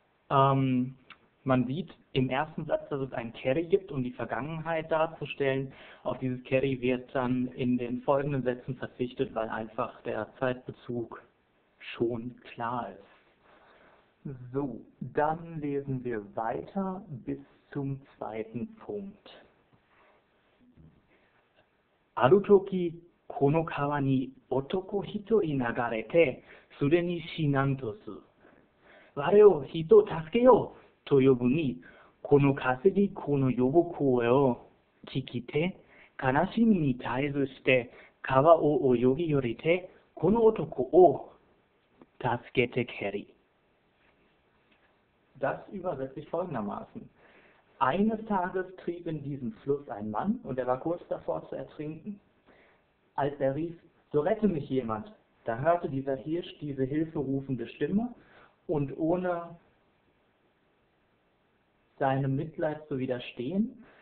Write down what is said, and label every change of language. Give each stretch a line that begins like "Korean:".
German: Man sieht im ersten Satz, dass es ein Keri gibt, um die Vergangenheit darzustellen. Auf dieses Keri wird dann in den folgenden Sätzen verzichtet, weil einfach der Zeitbezug schon klar ist. So, dann lesen wir weiter bis zum zweiten Punkt.
Japanese: ある時、この川に男一人流れて、すでに死なんとす。我を人を助けようと呼ぶに、この稼ぎ子の呼ぶ声を聞きて、悲しみに絶えずして川を泳ぎ寄りて、この男を助けてけり。
German: Das übersetzt sich folgendermaßen. Eines Tages trieb in diesem Fluss ein Mann und er war kurz davor zu ertrinken. Als er rief, so rette mich jemand, da hörte dieser Hirsch diese hilferufende Stimme und ohne seinem Mitleid zu widerstehen,